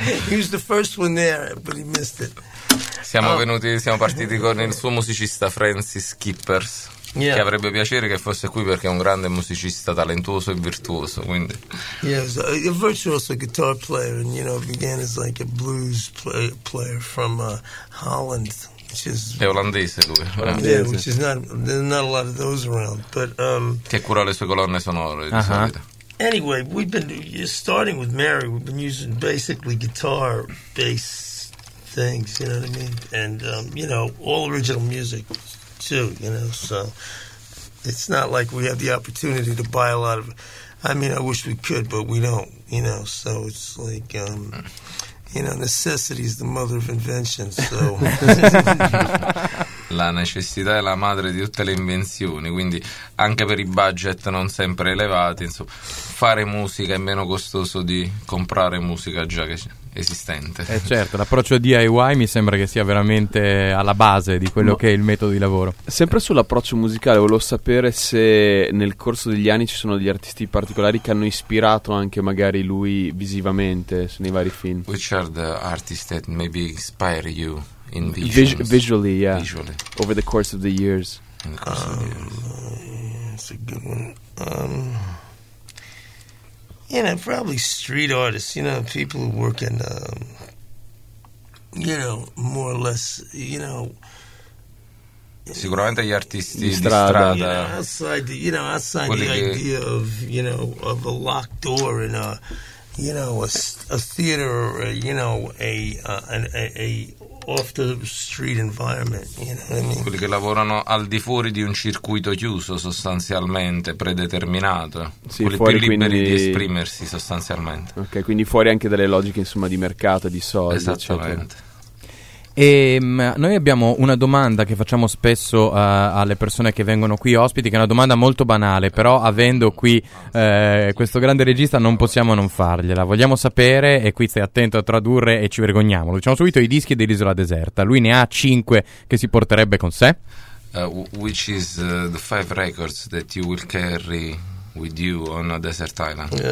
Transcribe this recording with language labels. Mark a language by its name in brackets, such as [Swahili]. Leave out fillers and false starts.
[English] He was the first one there, but he missed it. [Italian] Siamo partiti con il suo musicista Francis Kippers. Yeah. Che avrebbe piacere che fosse qui perché è un grande musicista, talentuoso e virtuoso, quindi. [English] Yeah, a virtuoso guitar player, and you know, began as like a blues player from Holland, which is. [Italian] È olandese lui. [English] Yeah, yeah, which is not there's not a lot of those around, but. [Italian] Che cura le sue colonne sonore, uh-huh. Di solito. [English] Anyway, we've been starting with Mary. We've been using basically guitar, bass things, you know what I mean, and you know, all original music. Too, you know, so it's not like we have the opportunity to buy a lot of. I mean, I wish we could, but we don't, you know. So it's like, you know, necessity is the mother of invention. So. [Italian] La necessità è la madre di tutte le invenzioni, quindi anche per i budget non sempre elevati, insomma, fare musica è meno costoso di comprare musica già che esistente. Eh certo, l'approccio DIY mi sembra che sia veramente alla base di quello che è il metodo di lavoro. Sempre sull'approccio musicale, volevo sapere se nel corso degli anni ci sono degli artisti particolari che hanno ispirato anche magari lui visivamente nei vari film. [English] Which are the artists that maybe inspire you? In visually, yeah. Visually. Over the course of the years. That's a good one. You know, probably street artists, you know, people who work in, you know, more or less, you know. [Italian] Sicuramente gli artisti di strada. [English] You know, outside the idea of, you know, of a locked door in a. You know, a theater, or a, you know, a off the street environment. You know what I mean? [Italian] Quelli che lavorano al di fuori di un circuito chiuso, sostanzialmente predeterminato. Sì, quelli fuori, più liberi, quindi, di esprimersi, sostanzialmente. Ok, quindi fuori anche dalle logiche, insomma, di mercato, di soldi. Esattamente. E, noi abbiamo una domanda che facciamo spesso alle persone che vengono qui ospiti, che è una domanda molto banale, però avendo qui questo grande regista non possiamo non fargliela. Vogliamo sapere, e qui stai attento a tradurre e ci vergogniamo, lo diciamo subito, i dischi dell'Isola Deserta. Lui ne ha 5 che si porterebbe con sé. [English] Which is the 5 records that you will carry with you on a desert island?